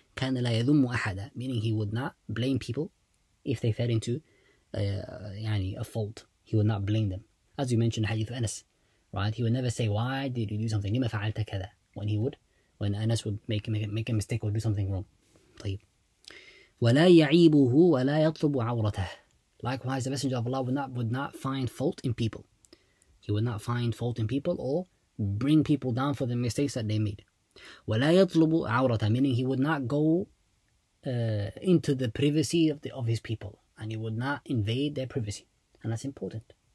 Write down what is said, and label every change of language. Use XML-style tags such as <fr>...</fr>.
<ar>كان لا يذم أحدا,</ar> <en>meaning he would not blame people if they fell into a fault. He would not blame them. As you mentioned, Hadith of Anas, right? He would never say, why did you do something?</en> <ar>لما فعلت كذا?</ar> <en>When Anas would make a mistake or do something wrong.</en> <ar>طيب. ولا يعيبه ولا يطلب عورته.</ar> <en>Likewise, the Messenger of Allah would not find fault in people. He would not find fault in people or bring people down for the mistakes that they made.</en> <ar>ولا يطلب عورتا,</ar> <en>meaning he would not go into the privacy of his people, and he would not invade their privacy, and that's important.</en>